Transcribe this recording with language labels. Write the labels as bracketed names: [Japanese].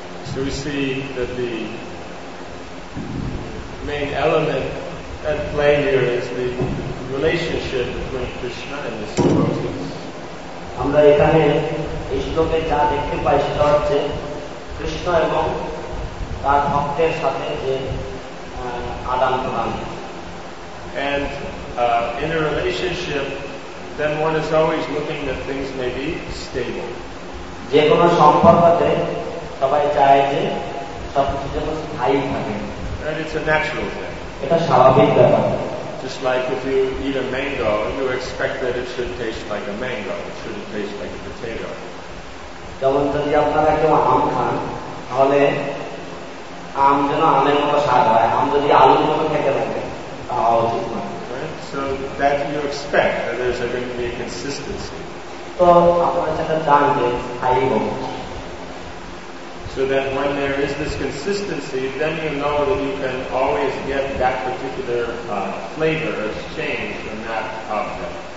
[English] So we see that the main element at play here is the relationship between Krishna and his devotees. [Bangla] আমরা এখানে এই শ্লোকে যা দেখতে পাই সেটা হচ্ছে কৃষ্ণ এবং তার ভক্তের সাথে যে আদান প্রদান। [English] And in a relationship, then one is always looking that things may be stable. [Bangla] যে কোনো সম্পর্কতে সবাই চায় যে সবকিছু যেন স্থায়ী থাকে। [English] And it's a natural [Bangla] thing. এটা স্বাভাবিক ব্যাপার। [English] Just like if you eat a mango, you expect that it should taste like a mango. It shouldn't taste like a potato. [Bangla] যেমন যদি আপনারা কেউ আম খান তাহলে আম যেন আমের মতো স্বাদ হয়, আম যদি আলুর মতো খেতে থাকে তাহা উচিত নয়। [English] So that you expect that there's going to be a consistency. [Bangla] তো আপনারা যেটা জানেন যে স্থায়ী হবে। [English] So that when there is this consistency, then you know that you can always get that particular flavor as change from that object.